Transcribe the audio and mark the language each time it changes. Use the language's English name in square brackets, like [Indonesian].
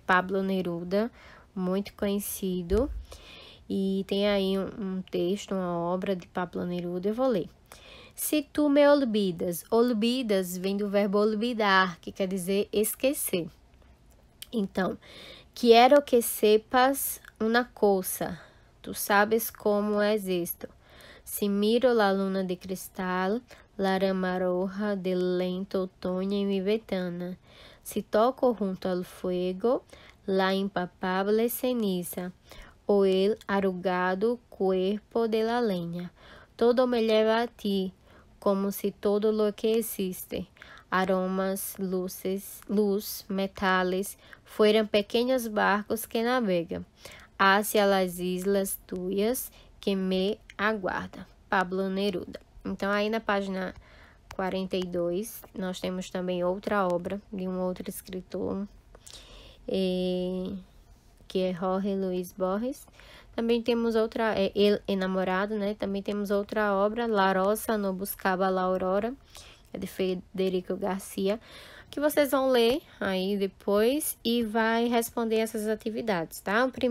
[Portuguese] Pablo Neruda, muito conhecido. E tem aí um texto, uma obra de Pablo Neruda. Eu vou ler. [Spanish] Se tu me olvidas, [Portuguese] olvidas vem do verbo olvidar, que quer dizer esquecer. Então, quero que [Spanish] sepas una cosa, [Portuguese] tu sabes como é isto. [Spanish] Si miro la luna de cristal, la rama roja del lento otoño en mi ventana. Si toco junto al fuego, la impalpable ceniza, o el arrugado cuerpo de la leña. Todo me lleva a ti, como si todo lo que existe, aromas, luces, luz, metales, fueran pequeños barcos que navegan. Hace las islas tuyas que me aguarda. [Portuguese] Pablo Neruda. Então, aí na página 42, nós temos também outra obra de um outro escritor, que é Jorge Luis Borges. Também temos outra, ele enamorado, né? Também temos outra obra, La Rosa no Buscaba la Aurora, é de Federico Garcia, que vocês vão ler aí depois e vai responder essas atividades, tá?